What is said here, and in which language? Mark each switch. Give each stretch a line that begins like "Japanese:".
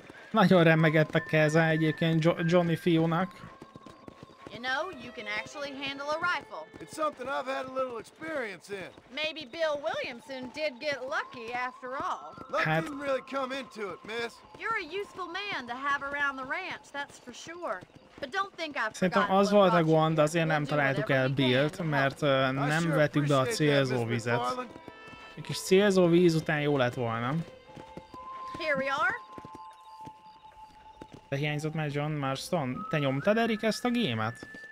Hungarian: Nagyon remegett a keze egyébként Johnny fiúnak.
English: You know, you can actually handle a rifle. It's something I've had a little experience in. Maybe Bill Williamson did get lucky after all. Luck didn't really come into it, miss. You're a useful man to have around the ranch, that's for sure. But don't think I've forgotten what you did.
Hungarian: Szerintem az volt a gond, azért nem találtuk el Billt, mert nem vettük be a célzó vizet. Egy kis célzó víz után jó lett volna.
English: Here we are.
Hungarian: De hiányzott már John Marston? Te nyomtad, Eric, ezt a gémet?